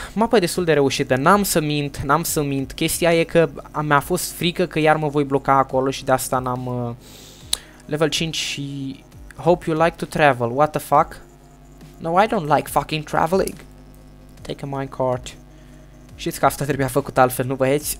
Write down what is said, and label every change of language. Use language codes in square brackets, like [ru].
[ro] Mapa e destul de reușită. N-am să mint. Chestia e că mi-a fost frică că iar mă voi bloca acolo și de asta n-am level 5 și [en] hope you like to travel. What the fuck? No, I don't like fucking traveling. Take a minecart. [ro] Știți că asta trebuia făcut altfel, nu băieți?